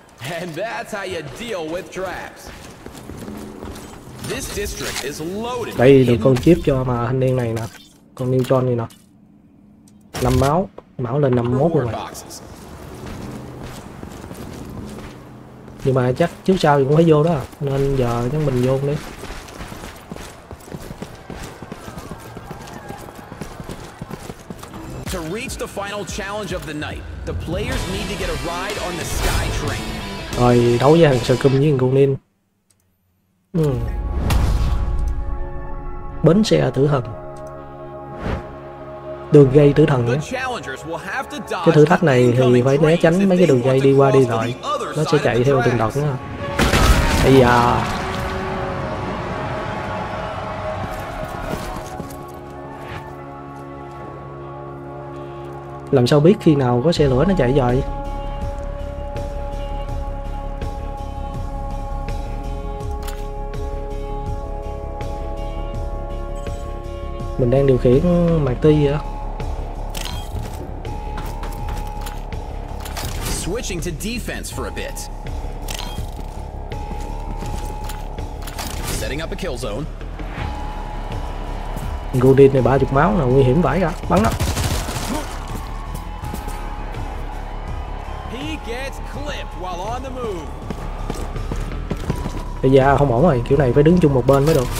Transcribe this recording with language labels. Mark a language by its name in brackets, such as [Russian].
[English] And that's how you deal with traps. This district is loaded. [Vietnamese] Đây được con chip cho mà thanh niên này nè. Con Neutron này nè. 5 máu, máu lên 51 rồi. Nhưng mà chắc trước sau thì cũng phải vô đó, nên giờ chắc mình vô đi. [English] To reach the final challenge of the night, the players need to get a ride on the sky train. [Vietnamese] Rồi đấu với thằng Sarkum với thằng Gunin. Bến xe tử thần, đường dây tử thần nhá. Cái thử thách này thì phải né tránh mấy cái đường dây đi qua đi lại, nó sẽ chạy theo từng đợt nữa. Bây giờ làm sao biết khi nào có xe lửa nó chạy rồi? Mình đang điều khiển mạc ti vậy đó. [English] Switching to defense for a bit. Setting up a kill zone. [Vietnamese] Gunin này 30 máu là nguy hiểm vãi cả. Bắn đó. [English] He gets clipped while on the move. [Vietnamese] Bây giờ không ổn rồi, kiểu này phải đứng chung một bên mới được.